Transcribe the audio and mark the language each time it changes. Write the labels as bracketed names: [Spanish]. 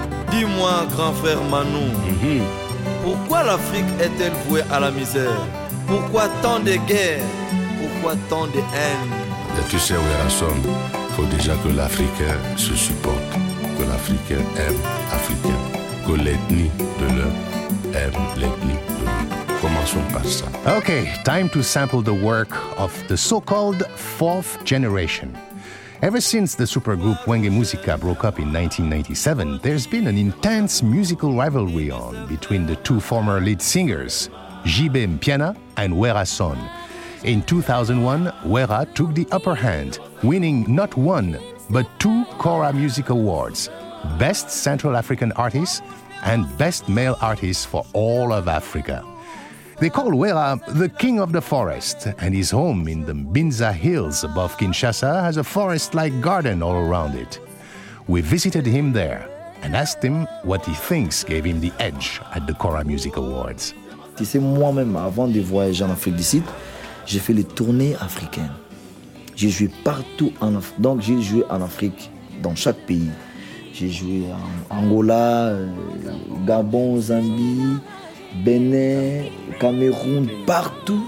[French] Dis-moi, grand frère Manu, pourquoi l'Afrique est-elle vouée à la misère? Pourquoi tant de guerres? Pourquoi tant de haine? Et tu sais, Werrason, faut déjà que l'Africain se supporte, que l'Africain aime l'Africain, que l'ethnie de l'autre aime l'ethnie de l'autre. Commençons par ça. [English] Okay, time to sample the work of the so-called fourth generation. Ever since the supergroup Wenge Musica broke up in 1997, there's been an intense musical rivalry on between the two former lead singers, JB Mpiana and Werrason. In 2001, Werra took the upper hand, winning not one, but two Kora Music Awards, Best Central African Artist and Best Male Artist for all of Africa. They call Wera the king of the forest, and his home in the Mbinza Hills above Kinshasa has a forest-like garden all around it. We visited him there and asked him what he thinks gave him the edge at the Kora Music Awards. [French] Tu sais, moi-même, avant de voyager en Afrique du Sud, j'ai fait les tournées africaines. J'ai joué partout en Afrique. Donc, j'ai joué en Afrique, dans chaque pays. J'ai joué en Angola, Gabon, Zambie, Bénin, Cameroun, partout.